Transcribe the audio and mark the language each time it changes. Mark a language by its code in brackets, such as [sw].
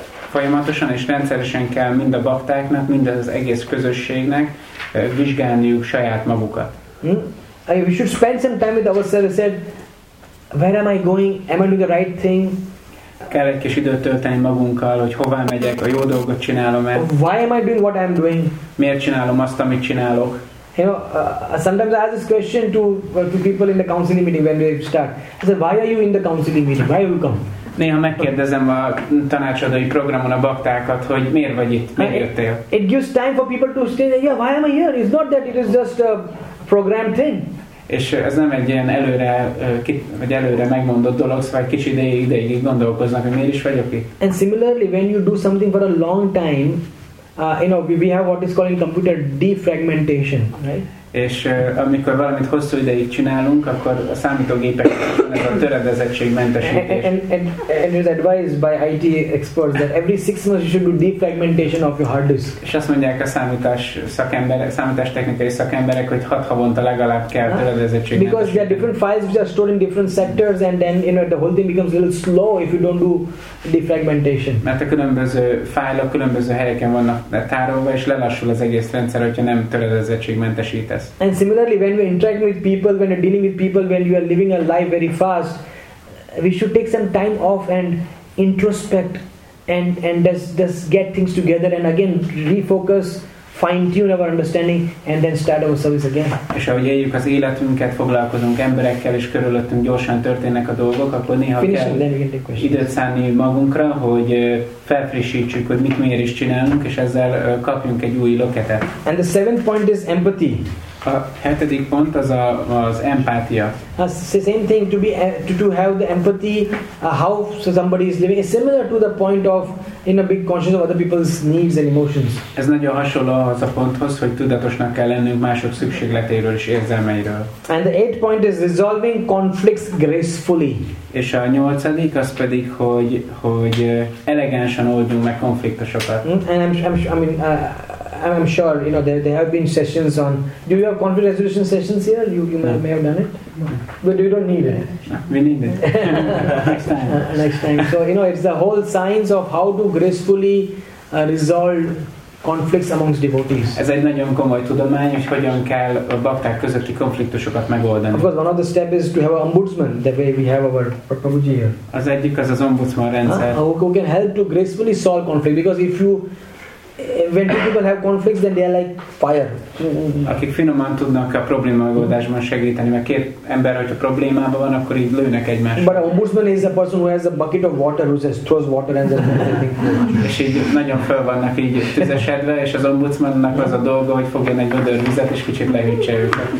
[hu] Folyamatosan és rendszeresen kell mind a baktáknak, mind az egész közösségnek vizsgálniuk saját magukat. [en] We should spend some time with ourselves. Where am I going? Am I doing the right thing? [hu] Kell egy kis időt tölteni magunkkal, hogy hová megyek, a jó dolgot csinálom-e. [en] Why am I doing what I'm doing? [hu] Miért csinálom azt, amit csinálok? [en] You know, sometimes I ask this question to people in the counseling meeting when we start. I said, why are you in the counseling meeting? Why have you come? [hu] Néha megkérdezem a tanácsadói programon a baktákat, hogy miért vagy itt, miért jöttél? [en] It gives time for people to say, yeah, why am I here? It's not that it is just a program thing. [hu] És ez nem egy ilyen előre megmondott dolog, szóval egy kicsi ideig gondolkoznak, hogy miért is vagyok itt. [en] And similarly, when you do something for a long time, we have what is called in computer defragmentation, right? [hu] És amikor valamit hosszú ideig csinálunk, akkor a számítógépekben ez a töredezettségmentesítés. [en] And it is advised by IT experts that every 6 months you should do defragmentation of your hard disk. [hu] És azt mondják a számítástechnikai szakemberek, hogy 6 havonta legalább kell töredezettségmentesíteni. [en] Because there are different files which are stored in different sectors, and then the whole thing becomes a little slow if you don't do defragmentation. [hu] Mert a különböző fájlok különböző helyeken vannak tárolva, és lelassul az egész rendszer, hogyha nem töredezettségmentesít. [en] And similarly, when we interact with people, when you're dealing with people, when you are living a life very fast, we should take some time off and introspect and just get things together and again refocus, fine-tune our understanding, and then start our service again. [hu] És ahogy éljük az életünket, foglalkozunk emberekkel, és körülöttünk gyorsan történnek a dolgok, akkor néha kell időt szánni magunkra, hogy felfrissítsük, hogy mit miért is csinálunk, és ezzel kapjunk egy új löketet. [en] And the seventh point is empathy. [hu] A hetedik pont az az empátia. [en] The same thing, to have the empathy, how somebody is living, is similar to the point of in a big conscious of other people's needs and emotions. [hu] Ez nagyon hasonló az a ponthoz, hogy tudatosnak kell lennünk mások szükségletéről és érzelmeiről. [en] And the eighth point is resolving conflicts gracefully. [hu] És a nyolcadik az pedig, hogy elegánsan oldjunk meg konfliktusokat. [en] I'm sure there have been sessions on. Do you have conflict resolution sessions here? You may have done it, but you don't need it. We need it. next time. So it's the whole science of how to gracefully resolve conflicts amongst devotees. [hu] Ez egy nagyon komoly tudomány, hogy hogyan kell a bakták közötti konfliktusokat megoldani. [en] Of course, one of the steps is to have an ombudsman, the way we have our Prabhuji here. [hu] Az egyik az ombudsman rendszer. [en] Who can help to gracefully solve conflict? Because if you when two people have conflicts, then they are like fire. [hu] Akik finoman tudnak a probléma megoldásban segíteni, mert két ember, hogyha problémában van, akkor így lőnek egymást. [en] But a ombudsman is a person who has a bucket of water, who just throws water and then [hu] és így nagyon föl vannak így tüzesedve, és az ombudsmannak az a dolga, hogy fogjon egy vödör vizet, és kicsit lehűtse őket.